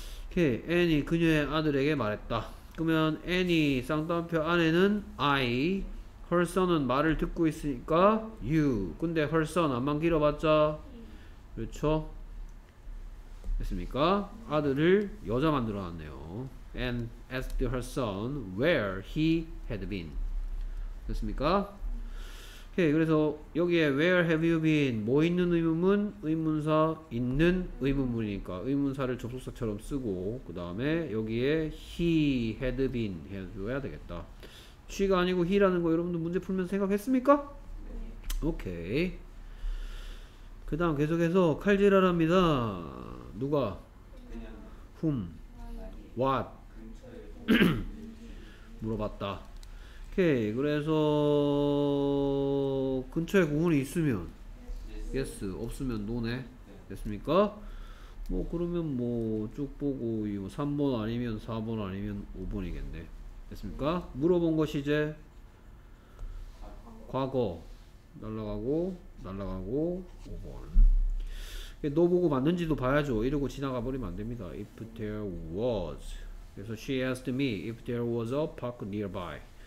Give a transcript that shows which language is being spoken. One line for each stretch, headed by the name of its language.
Korean: 오케이. Anne이 그녀의 아들에게 말했다. 그러면 Anne이 쌍따옴표 안에는 I, her son은 말을 듣고 있으니까 you. 근데 her son 안만 길어봤자 그렇죠? 됐습니까? 아들을 여자 만들어 놨네요.
English: And asked her son where he had been.
Korean: 됐습니까? 오케이. 그래서 여기에
English: where have you been?
Korean: 뭐 있는 의문문? 의문사 있는 의문문이니까 의문사를 접속사처럼 쓰고 그 다음에 여기에
English: he had been
Korean: 해줘야 되겠다. she가 아니고 he라는 거 여러분들 문제 풀면서 생각했습니까? 오케이. 그 다음 계속해서 칼질을 합니다. 누가? 그냥.
English: whom? what?
Korean: 물어봤다. 오케이. 그래서 근처에 공원이 있으면
English: yes,
Korean: yes. 없으면 no네. 됐습니까? 뭐 그러면 뭐 쭉 보고 이거 3번 아니면 4번 아니면 5번이겠네. 됐습니까? 물어본 것이 이제 과거 날라가고 날라가고 5번. 너 보고 맞는지도 봐야죠. 이러고 지나가 버리면 안 됩니다.
English: If there was.
Korean: 그래서
English: she asked me if there was a park nearby.